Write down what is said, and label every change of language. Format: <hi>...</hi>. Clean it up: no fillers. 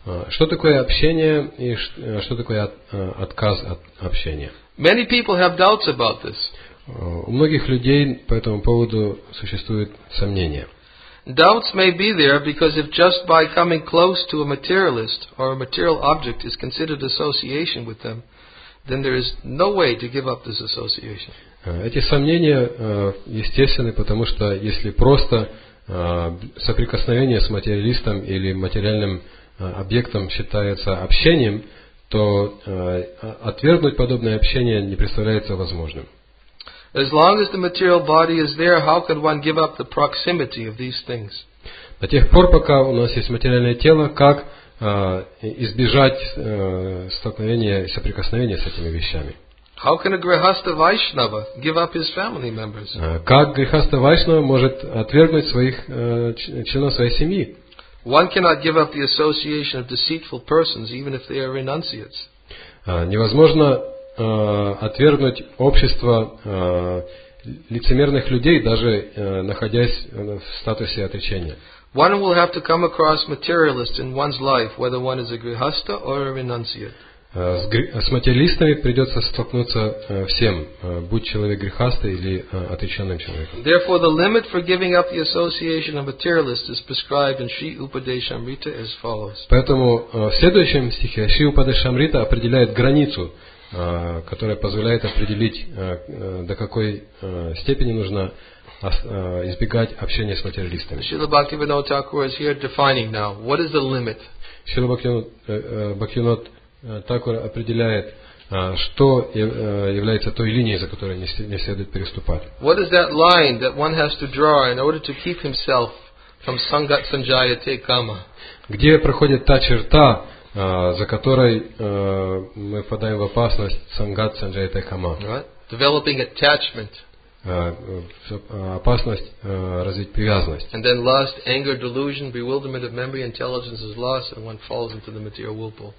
<ru>Что такое общение и что такое отказ от общения?</ru> <en>Many people have doubts about this.</en> <ru>У многих людей по этому поводу существует сомнение.</ru> <en>Doubts may be there because if just by coming close to a materialist or a material object is considered association with them, then there is no way to give up this association.</en> <ru>Эти сомнения естественны, потому что если просто соприкосновение с материалистом или материальным объектом считается общением, то отвергнуть подобное общение не представляется возможным.</ru> <en>As long as the material body is there, how can one give up the proximity of these things?</en> <ru>До тех пор, пока у нас есть материальное тело, как избежать столкновения и соприкосновения с этими вещами?</ru> <en>How can a grihastha Vaishnava give up his family members?</en> <ru>Как грихастха Вайшнава может отвергнуть своих членов своей семьи?</ru> <en>One cannot give up the association of deceitful persons, even if they are renunciates.</en> <ru>Невозможно отвергнуть общество лицемерных людей, даже находясь в статусе отречения.</ru> <en>One will have to come across materialists in one's life, whether one is a grihastha or a renunciate.</en> <ru>С материалистами придется столкнуться всем, будь человек грехастый или отреченным человеком.</ru> <en>Therefore, the limit for giving up the association of materialists is prescribed in Sri Upadeshamrita as follows.</en> <ru>Поэтому в следующем стихе Шри Упадешамрита определяет границу, которая позволяет определить, до какой степени нужно избегать общения с материалистами.</ru> <en>Шрила Бхактивинода Тхакура is here defining now. What is the limit?</en> <ru>Шрила Бхактивинода Тхакура определяет, что является той линией, за которой не следует переступать.</ru> <en>What is that line that one has to draw in order to keep himself from sangat sanjayate kama?</en> <ru>Где проходит та черта, за которой мы впадаем в опасность сангат санджайте кама?</ru> <en>Developing attachment.</en> <ru>Опасность развить привязанность.</ru> <en>And then lust, anger, delusion, bewilderment of memory, intelligence is lost, and one falls into the material whirlpool.</en>